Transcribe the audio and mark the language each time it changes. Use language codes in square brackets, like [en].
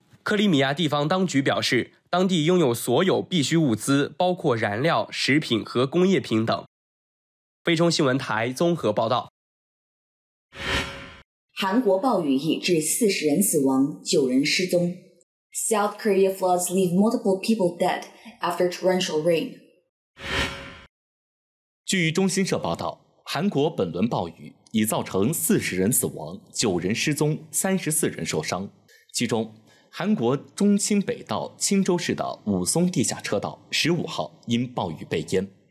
[zh] 克里米亚地方当局表示，当地拥有所有必需物资，包括燃料、食品和工业品等。菲中新闻台综合报道。韩国暴雨已致40人死亡，9人失踪。 [en] South Korea floods leave multiple people dead after torrential rain. [zh] 据中新社报道，韩国本轮暴雨已造成40人死亡、9人失踪、34人受伤。其中，韩国中清北道钦州市的武松地下车道15号因暴雨被淹。